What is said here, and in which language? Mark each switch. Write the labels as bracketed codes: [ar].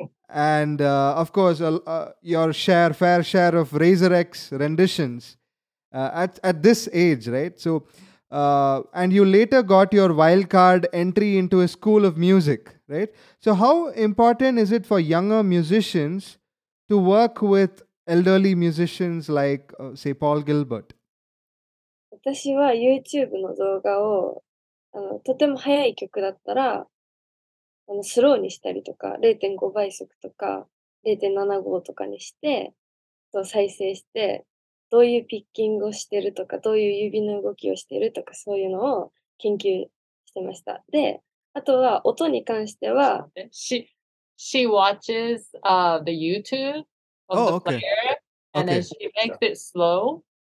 [en] And of course, your fair share of Razor X renditions at this age, right? So, and you later got your wild card entry into a school of music, right? So how important is it for younger musicians to work with elderly musicians like, say, Paul Gilbert? [ja] 私は YouTube の動画をとても速い曲だったらスローにしたりとか 0.5 倍速とか 0.75 とかにしてそう再生してどういうピッキングをしてるとかどういう指の動きをしてるとかそういうのを研究してました。で、あとは音に関しては [en] She watches the YouTube of the player and then she makes it slow.